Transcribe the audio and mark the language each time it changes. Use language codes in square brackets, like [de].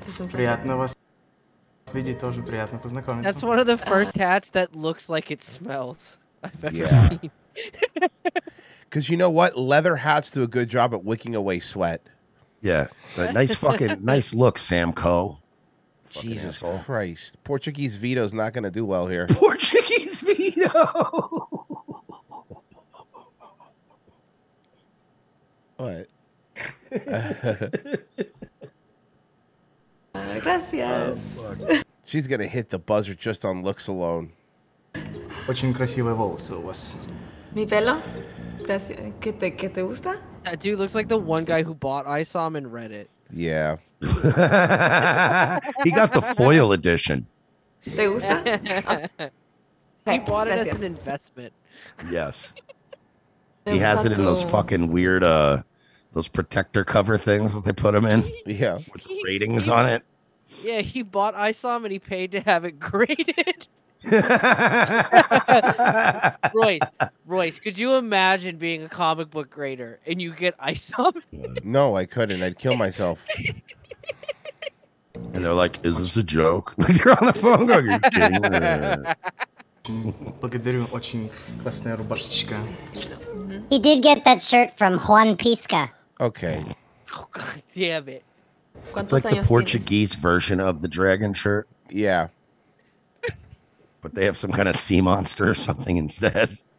[ru] Приятно вас видеть, тоже приятно познакомиться. [en] That's one of the first hats that looks like it smells I've ever seen. Because you know what? Leather hats do a good job at wicking away sweat. Yeah. But nice fucking, nice look, Sam Coe. Jesus Christ. Portuguese Vito's not going to do well here. Portuguese Vito! What? [es] Gracias. [en] She's going to hit the buzzer just on looks alone. [ru] Очень красивые волосы у вас. [es] Mi pelo? Gracias. ¿Qué te gusta? [en] That dude looks like the one guy who bought iSOM and Reddit. Yeah. He got the foil edition. [es] ¿Te gusta? [en] He bought it as an investment. Yes. He has it in those fucking weird, those protector cover things that they put them in. Yeah. With the ratings on it. Yeah, he bought iSOM and he paid to have it graded. Royce, could you imagine being a comic book grader and you get iSOM? No, I couldn't. I'd kill myself. And they're like, is this a joke? You're on the phone going, you're kidding me. [ru] Благодарю, очень классная рубашечка. [en] He did get that shirt from Juan Pisca. Okay. Oh, God damn it. It's like the Portuguese version of the dragon shirt. Yeah. But they have some kind of sea monster or something instead.